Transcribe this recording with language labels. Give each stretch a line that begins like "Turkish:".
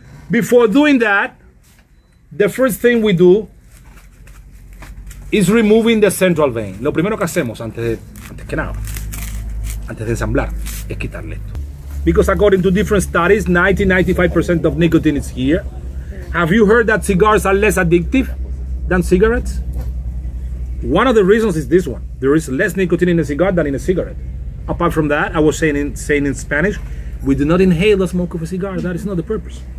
English: Before doing that, the first thing we do is removing the central vein.
Spanish: Lo primero que hacemos antes de ensamblar, es quitarle esto.
English: Because according to different studies, 90-95% of nicotine is here. Have you heard that cigars are less addictive than cigarettes? One of the reasons is this one. There is less nicotine in a cigar than in a cigarette. Apart from that, I was saying in Spanish, we do not inhale the smoke of a cigar. That is not the purpose.